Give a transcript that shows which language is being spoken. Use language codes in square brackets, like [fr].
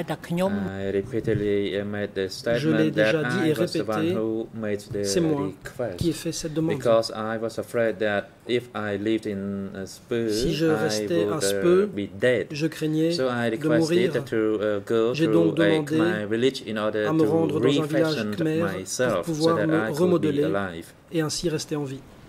[fr] Je l'ai déjà dit et répété, c'est moi qui ai fait cette demande. [en] Because I was afraid that if I lived in a SPE, [fr] si je restais à SPE, je craignais de mourir. J'ai donc demandé à me rendre dans un village Khmer pour pouvoir me remodeler et ainsi rester en vie.